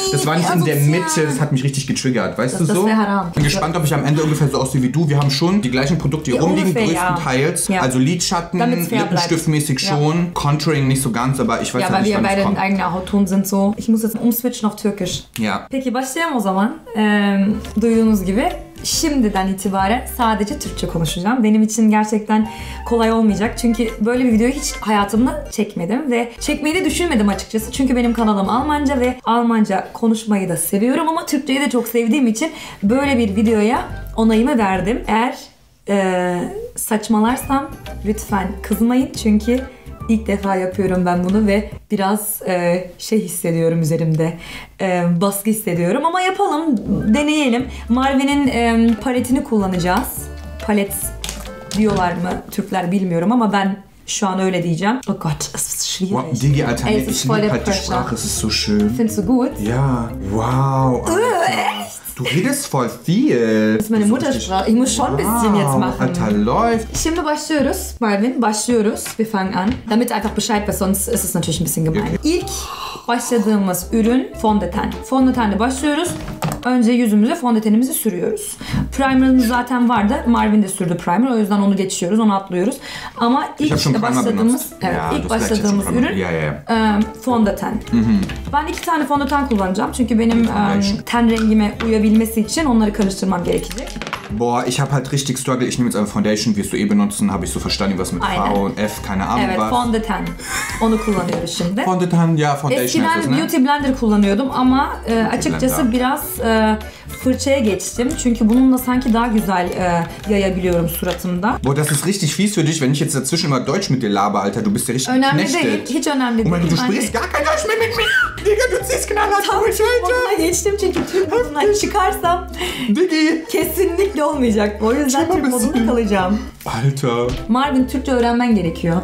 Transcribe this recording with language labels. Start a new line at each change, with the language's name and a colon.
German: Das war nicht in der Mitte, das hat mich richtig getriggert, weißt du so? Das wäre haram. Bin gespannt, ob ich am Ende ungefähr so aussehe wie du. Wir haben schon die gleichen Produkte hier rumliegen, größtenteils. Ja. Also Lidschatten, Lippenstiftmäßig schon. Ja. Contouring nicht so ganz, aber ich weiß nicht, wann es kommt. Ja, weil wir beide in eigener Hautton sind so. Ich muss jetzt umswitchen auf Türkisch. Ja.
Turkish: Peki başlayalım o zaman. Duyduğunuz gibi. Şimdiden itibaren sadece Türkçe konuşacağım. Benim için gerçekten kolay olmayacak. Çünkü böyle bir videoyu hiç hayatımda çekmedim. Ve çekmeyi de düşünmedim açıkçası. Çünkü benim kanalım Almanca ve Almanca konuşmayı da seviyorum. Ama Türkçeyi de çok sevdiğim için böyle bir videoya onayımı verdim. Eğer saçmalarsam lütfen kızmayın. Çünkü ilk defa yapıyorum ben bunu ve biraz şey hissediyorum üzerimde. Baskı hissediyorum ama yapalım, deneyelim. Marvin'in paletini kullanacağız. Palet diyorlar mı Türkler bilmiyorum ama ben şu an öyle diyeceğim.
German: Oh Gott, es ist schwierig. Wow, Digi, Alter, ey, ich liebe halt die Sprache, es ist so schön. Findest du gut? Ja, wow. Echt? Du redest voll viel. Das ist meine Muttersprache. Ich muss schon ein bisschen jetzt machen. Alter, läuft.
Turkish: Şimdi başlıyoruz, Marvin, başlıyoruz.
German: Wir fangen an. Damit einfach Bescheid weißt, sonst ist es natürlich ein bisschen gemein. Okay.
Turkish: İlk başladığımız ürün fondöten. Fondötenle başlıyoruz. Önce yüzümüze fondötenimizi sürüyoruz. Primerimiz zaten vardı. Marvin de sürdü primer. O yüzden onu geçiyoruz, onu atlıyoruz. Ama ilk başladığımız, ilk başladığımız ürün fondöten. Ben iki tane fondöten kullanacağım. Çünkü benim ten rengime uyabilmesi için onları karıştırmam gerekecek.
German: Boah, ich habe halt richtig struggle. Ich nehme jetzt eine Foundation, wirst du eh benutzen, habe ich so verstanden, was mit V und F, keine Ahnung
Turkish: evet,
German: was.
Turkish: Evet, fondöten. Onu kullanıyoruz şimdi.
German: Fondöten, ja, Foundation.
Turkish: Eskiden Beauty Blender kullanıyordum ama açıkçası biraz fırçaya geçtim. Çünkü bununla sanki daha güzel yayabiliyorum suratımda.
German: Boah, das ist richtig fies für dich, wenn ich jetzt dazwischen immer Deutsch mit dir laber, Alter. Du bist ja richtig knechtet.
Turkish: Önemli değil, hiç önemli değil.
German: Oh mein Gott, du sprichst gar kein Deutsch mehr mit mir. Digga, du ziehst knallhart durch, Alter.
Turkish: Geçtim çünkü Türk'ün çıkarsam.
German: Digi.
Turkish: Kesinlikle. Olmayacak. O yüzden Türk modunda kalacağım.
German: Alter.
Turkish: Marvin, Türkçe öğrenmen gerekiyor.